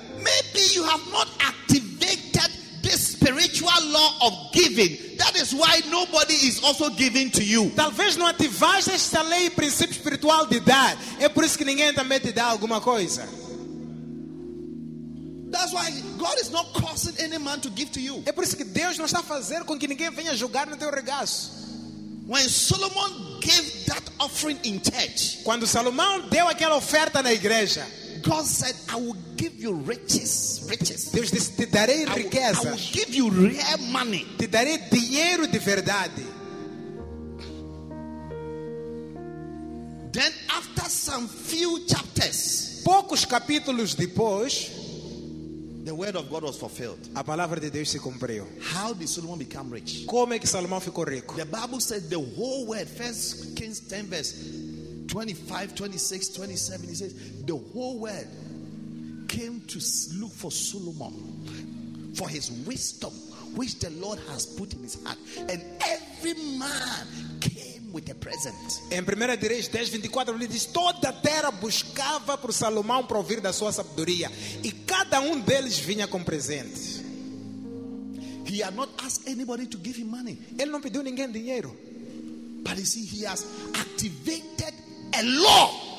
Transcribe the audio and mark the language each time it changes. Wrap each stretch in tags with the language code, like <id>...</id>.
<en>Maybe you have not activated this spiritual law of giving. That is why nobody is also giving to you.</en> <pt>Talvez não ativaste esta lei e princípio espiritual de dar. É por isso que ninguém também te dá alguma coisa.</pt> <en>That's why God is not causing any man to give to you.</en> <pt>É por isso que Deus não está fazendo com que ninguém venha jogar no teu regaço.</pt> <en>When Solomon gave that offering in church,</en> <pt>quando Salomão deu aquela oferta na igreja,</pt> <en>God said, I will give you riches.</en> <pt>Deus disse, te darei riqueza.</pt> <en>I will give you real money.</en> <pt>Te darei dinheiro de verdade.</pt> <en>Then after some few chapters,</en> <pt>poucos capítulos depois,</pt> <en>the word of God was fulfilled.</en> <pt>A palavra de Deus se cumpriu.</pt> <en>How did Solomon become rich?</en> <pt>Como é que Salomão ficou rico?</pt> <en>The Bible says the whole word, 1 Kings 10 verse 25, 26, 27, it says the whole world came to look for Solomon, for his wisdom which the Lord has put in his heart. And every man came with a present.</en> <pt>Em 1 Reis 10:24 ele diz: toda a terra buscava por Salomão provir da sua sabedoria, e cada deles vinha com presente.</pt> <en>He had not asked anybody to give him money.</en> <pt>Ele não pediu ninguém dinheiro.</pt> <en>But you see, he has activated a law.</en>